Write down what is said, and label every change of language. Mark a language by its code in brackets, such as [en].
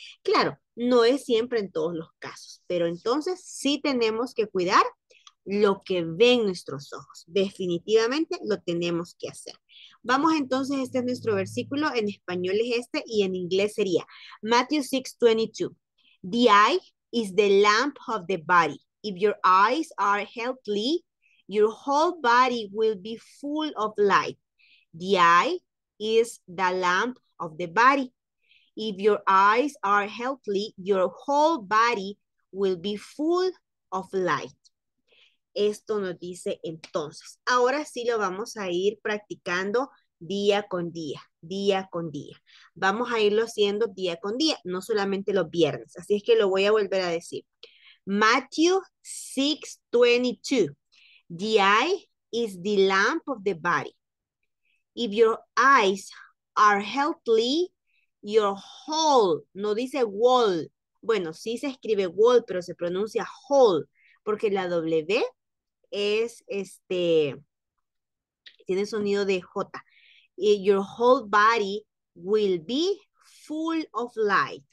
[es] Claro, no es siempre en todos los casos, pero entonces sí tenemos que cuidar lo que ven nuestros ojos. Definitivamente lo tenemos que hacer. Vamos entonces, este es nuestro versículo, en español es este y en inglés sería Matthew 6:22. [en] The eye is the lamp of the body. If your eyes are healthy, your whole body will be full of light. The eye is the lamp of the body. If your eyes are healthy, your whole body will be full of light. [es] Esto nos dice entonces. Ahora sí lo vamos a ir practicando día con día, día con día. Vamos a irlo haciendo día con día, no solamente los viernes. Así es que lo voy a volver a decir. [en] Matthew 6:22. The eye is the lamp of the body. If your eyes are healthy, your whole, [es] no dice wall. Bueno, sí se escribe wall, pero se pronuncia whole, porque la W es tiene sonido de J. [en] Your whole body will be full of light.